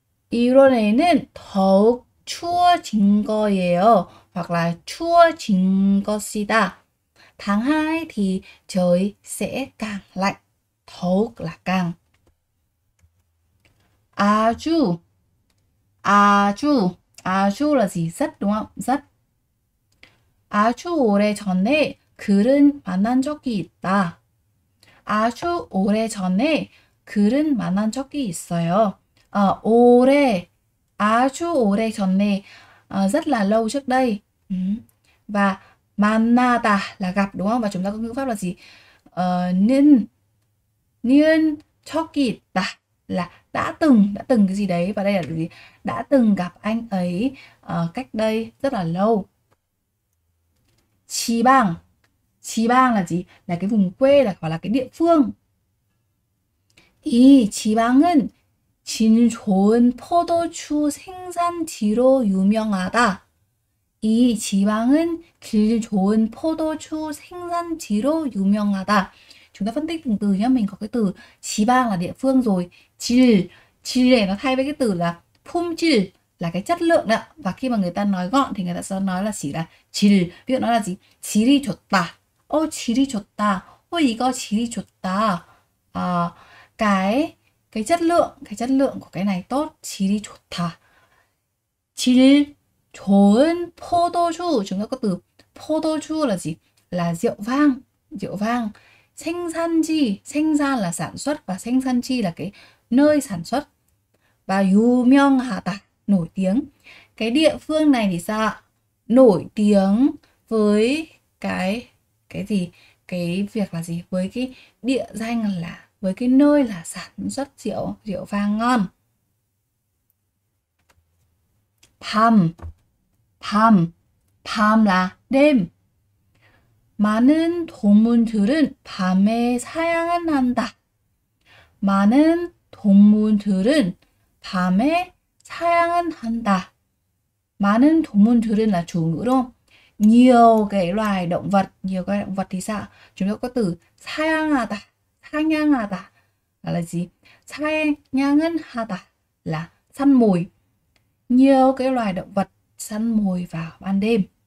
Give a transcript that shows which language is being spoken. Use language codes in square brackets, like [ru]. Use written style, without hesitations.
[ko] 이론에는 더욱 추워진 거예요. [vi] Hoặc là [ko] 추워진 것이다. [vi] Tháng 2 thì trời sẽ càng lạnh. 더욱 là càng. [ko] 아주. 아주. 아주 [vi] là gì? Rất đúng không? Rất. [ko] 아주 오래전에 그를 만난 적이 있다. 아주 오래전에 그를 만난 적이 있어요. 오래, 아주 오래 전에, [vi] rất là lâu trước đây. Và 만나다 là gặp đúng không? Và chúng ta có ngữ pháp là gì? [ko] 는 적이 있다 [vi] là đã từng cái gì đấy. Và đây là gì? Đã từng gặp anh ấy cách đây rất là lâu. 지방, 지방 là gì? Là cái vùng quê, là gọi là cái địa phương. [ko] 이 지방은 진 좋은 포도주 생산지로 유명하다. 이 지방은 길 좋은 포도주 생산지로 유명하다. [vi] Chúng ta phân tích từng từ nhé. Mình có cái từ 지방 là địa phương rồi. 질, 질 này nó thay với cái từ là 품질, là cái chất lượng đó. Và khi mà người ta nói gọn thì người ta sẽ nói là chỉ là 질. Ví dụ nó là gì? [ko] 질이 좋다. Ô, 질이 좋다. Ô, 이거 질이 좋다. [vi] Cái chất lượng của cái này tốt. [ko] 질이 좋다. 질 좋은 포도주. [vi] Chúng ta có từ 포도주 là gì? Là rượu vang. Rượu vang. 생산지. 생산 là sản xuất. Và 생산지 là cái nơi sản xuất. Và 유명하다. Nổi tiếng. Cái địa phương này thì sao? Nổi tiếng với cái gì? Cái việc là gì? Với cái địa danh là, với cái nơi là sản xuất rượu, rượu vang ngon. Pam. [ko] 밤, 밤라, 뎀. 많은 동물들은 밤에 사냥을 한다. 많은 동물들은 밤에 사냥을 한다. 많은 동물들은 [vi] là chủ ngữ đúng không? Nhiều cái loài động vật, nhiều cái động vật thì sao? Chúng ta có từ 사냥하다, 사냥하다 là gì? 사냥은 하다 là săn mồi. Nhiều cái loài động vật săn mồi vào ban đêm.